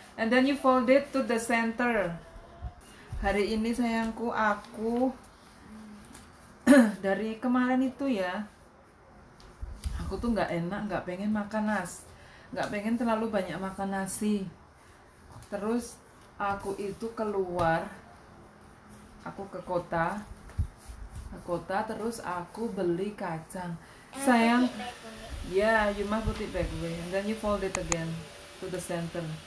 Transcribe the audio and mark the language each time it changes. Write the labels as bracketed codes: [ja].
[en] And then you fold it to the center. [id] Hari ini sayangku aku dari kemarin itu ya, aku tuh nggak enak, nggak pengen makan nasi, nggak pengen terlalu banyak makan nasi. Terus aku itu keluar, aku ke kota, terus aku beli kacang. [en] Sayang, yeah, you must put it back away. And then you fold it again to the center.